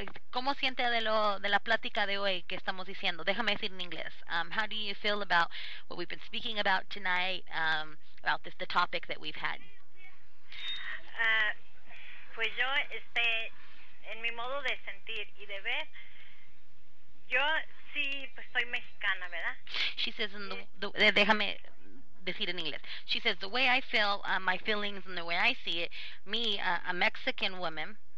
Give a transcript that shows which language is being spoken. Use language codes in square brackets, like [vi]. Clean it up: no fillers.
[es] ¿Cómo siente de la plática de hoy que estamos diciendo? Déjame decir en inglés. [en] How do you feel about what we've been speaking about tonight, about this, the topic that we've had? [es] Pues yo, en mi modo de sentir y de ver, yo sí, pues soy mexicana, ¿verdad? [en] She says, [es] déjame decir en inglés. [en] She says, the way I feel, my feelings and the way I see it, me, a Mexican woman.